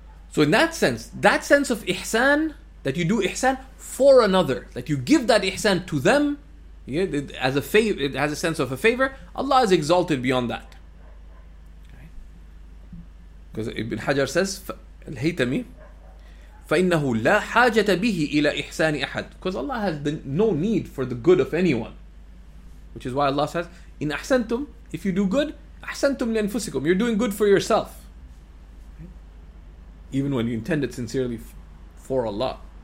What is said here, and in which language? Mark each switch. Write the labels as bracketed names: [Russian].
[English] So in that sense of ihsan, that you do ihsan for another, that you give that ihsan to them, yeah, as a favor, it has a sense of a favor, Allah is exalted beyond that. Because Ibn Hajar says, Al-Haytami, [Arabic] فَإِنَّهُ لَا حَاجَةَ بِهِ إِلَىٰ إِحْسَانِ أَحَدٍ. [English] Because Allah has no need for the good of anyone. Which is why Allah says, [Arabic] إِنْ أَحْسَنْتُمْ, [English] if you do good, [Arabic] أَحْسَنْتُمْ لِأَنفُسِكُمْ, [English] you're doing good for yourself. Even when you intend it sincerely for Allah.